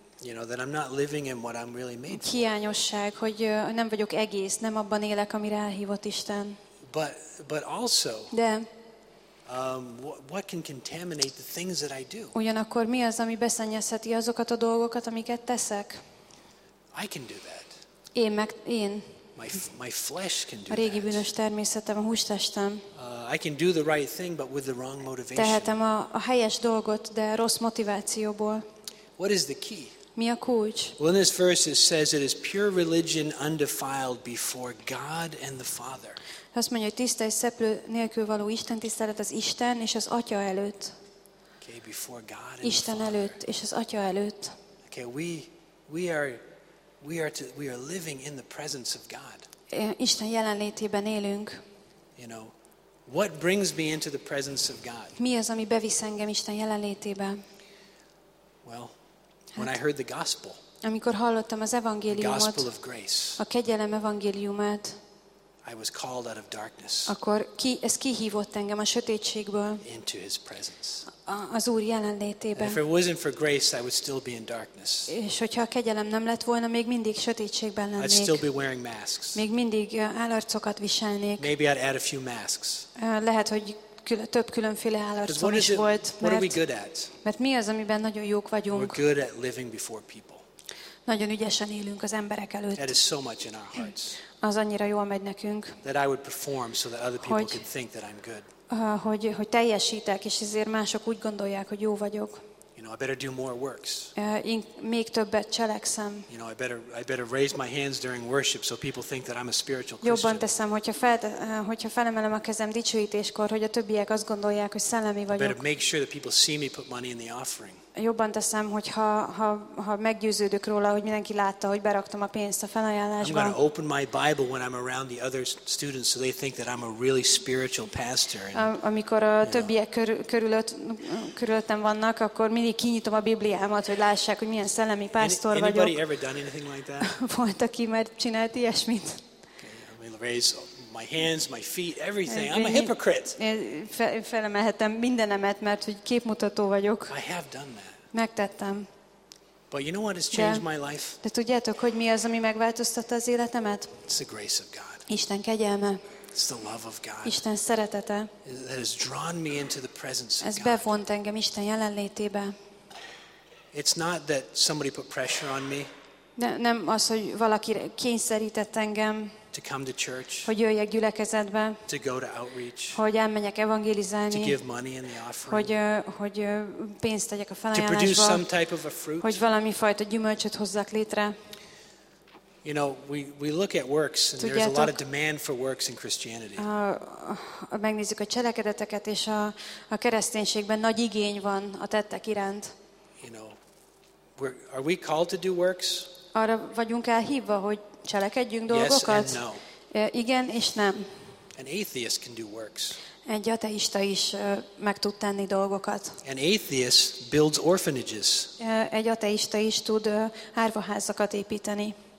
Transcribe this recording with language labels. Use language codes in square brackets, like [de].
[en] You know, that I'm not living in what I'm really made for. [hu] Hiányosság, hogy nem vagyok egész, nem abban élek, amire elhívott Isten. [en] But also. [hu] De [en] What can contaminate the things that I do? [hu] Ugyanakkor mi az, ami beszennyezheti azokat a dolgokat, amiket teszek? [en] I can do that. [hu] Én. [en] My flesh can do that. [hu] A régi bűnös természetem, a hústestem. [en] I can do the right thing, but with the wrong motivation. [hu] Tehetem a helyes dolgot, de rossz motivációból. [en] What is the key? [hu] Mi a kulcs? [en] Well, in this verse it says it is pure religion, undefiled before God and the Father. [hu] Azt mondja, hogy tiszta és szeplő nélkül való istentisztelet az Isten és az Atya előtt. [en] Okay, before God and [hu] Isten előtt és az Atya előtt. [en] Okay, we are living in the presence of God. [hu] Isten jelenlétében élünk. [en] You know, what brings me into the presence of God? [hu] Mi az, ami bevisz engem Isten jelenlétébe? [en] Well, when I heard the gospel. [hu] Amikor hallottam az evangéliumot. [en] The gospel of grace. [hu] A kegyelem evangéliumát. [en] I was called out of darkness. [hu] Akkor ez kihívott engem a sötétségből. [en] Into his presence. [hu] Az Úr jelenlétében. [en] If it wasn't for grace, I would still be in darkness. [hu] És hogyha a kegyelem nem lett volna, még mindig sötétségben lennék. [en] I'd still be wearing masks. [hu] Még mindig állarcokat viselnék. [en] Maybe I'd add a few masks. [hu] Lehet, hogy több különféle állarcom is volt. [en] What are we good at? [hu] Mert mi az, amiben nagyon jók vagyunk? [en] We're good at living before people. [hu] Nagyon ügyesen élünk az emberek előtt. [en] That is so much in our hearts. [hu] Az annyira jól megy nekünk. [en] That I would perform so that other people could think that I'm good. [hu] Hogy teljesítek, és ezért mások úgy gondolják, hogy jó vagyok. [en] You know, I better do more works. [hu] Még többet cselekszem. [en] You know, I better raise my hands during worship so people think that I'm a spiritual Christian. [hu] Jobban teszem, hogyha felemelem a kezem dicsőítéskor, hogy a többiek azt gondolják, hogy szellemi vagyok. [en] I better make sure that people see me put money in the offering. [hu] Jobban teszem, hogy ha meggyőződök róla, hogy mindenki látta, hogy beraktam a pénzt a felajánlásba. [en] I'm going to open my Bible when I'm around the other students so they think that I'm a really spiritual pastor. [hu] Amikor a többiek körülöttem vannak, akkor mindig kinyitom a Bibliámat, hogy lássák, hogy milyen szellemi pásztor vagyok. [en] Anybody ever done anything like that? [hu] Volt, aki már csinált ilyesmit. [en] Okay, I'm raise my hands, my feet, everything. I'm a hypocrite. [hu] Felemelhetem mindenemet, mert hogy képmutató vagyok. [en] I have done that. [hu] Megtettem. [en] But you know what has changed my life? [hu] De tudjátok, hogy mi az, ami megváltoztatta az életemet? [en] It's the grace of God. [hu] Isten kegyelme. [en] It's the love of God. [hu] Isten szeretete. [en] That has drawn me into the presence of God. [hu] Ez bevont engem Isten jelenlétébe. [en] It's not that somebody put pressure on me. [hu] Nem az, hogy valaki kényszerített engem. [en] To come to church, [hu] hogy jöjjek gyülekezetbe, [en] to go to outreach, [hu] hogy elmenjek evangelizálni, [en] to give money in the offering, [hu] hogy pénzt tegyek a felajánlásba, [en] to produce some type of a fruit, [hu] hogy valami fajta gyümölcsöt hozzak létre. [en] You know, we look at works, and [hu] tudjátok, [en] there's a lot of demand for works in Christianity. [hu] Megnézzük a cselekedeteket, és a kereszténységben nagy igény van a tettek iránt. [en] You know, are we called to do works? [hu] Arra vagyunk elhívva, hogy cselekedjünk dolgokat? [en] Yes and no. [hu] Igen és nem. [en] An atheist can do works. [hu] Egy ateista is meg tud tenni dolgokat. [en] An atheist builds orphanages. [hu] Egy ateista is tud árvaházakat építeni.